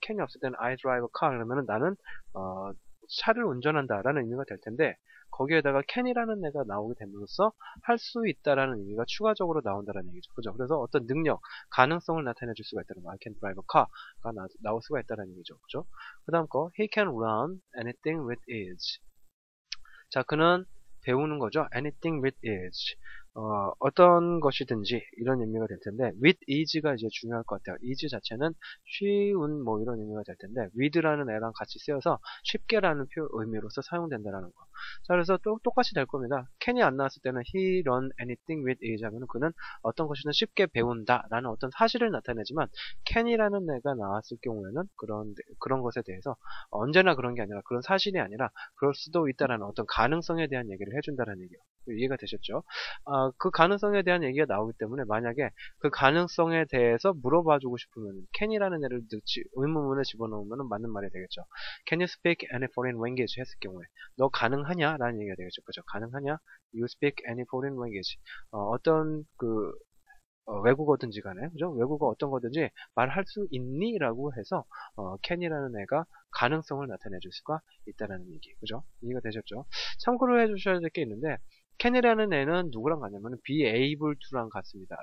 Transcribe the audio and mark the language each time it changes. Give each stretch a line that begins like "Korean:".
Korean: can이 없을 때는
English: I drive a car
Korean: 그러면은 나는 차를 운전한다라는 의미가 될 텐데 거기에다가 can이라는 애가 나오게 됨으로써 할 수 있다라는 의미가 추가적으로 나온다라는 얘기죠. 그죠? 그래서 어떤 능력, 가능성을 나타내 줄 수가 있다는 거.
English: I can drive a car
Korean: 가 나올 수가 있다라는 얘기죠. 그죠? 그다음 거
English: he can learn anything with ease.
Korean: 자, 그는 배우는 거죠.
English: anything with ease.
Korean: 어떤 것이든지 이런 의미가 될 텐데 with ease가 이제 중요할 것 같아요. ease 자체는 쉬운 뭐 이런 의미가 될 텐데 with라는 애랑 같이 쓰여서 쉽게라는 의미로서 사용된다라는 거. 자, 그래서 똑같이 될 겁니다. can이 안 나왔을 때는
English: he learn anything with ease
Korean: 하면 그는 어떤 것이든 쉽게 배운다라는 어떤 사실을 나타내지만 can이라는 애가 나왔을 경우에는 그런 것에 대해서 언제나 그런 게 아니라 그런 사실이 아니라 그럴 수도 있다라는 어떤 가능성에 대한 얘기를 해준다라는 얘기예요. 이해가 되셨죠? 그 가능성에 대한 얘기가 나오기 때문에 만약에 그 가능성에 대해서 물어봐주고 싶으면 can이라는 애를 의문문에 집어넣으면 맞는 말이 되겠죠.
English: Can you speak any foreign language
Korean: 했을 경우에 너 가능하냐? 라는 얘기가 되겠죠. 그렇죠? 가능하냐?
English: You speak any foreign language.
Korean: 어떤 외국어든지 간에, 그죠? 외국어 어떤 거든지 말할 수 있니? 라고 해서 can이라는 애가 가능성을 나타내줄 수가 있다는 얘기. 그죠? 이해가 되셨죠? 참고로 해주셔야 될 게 있는데 can이라는 애는 누구랑 같냐면
English: be able to
Korean: 랑 같습니다.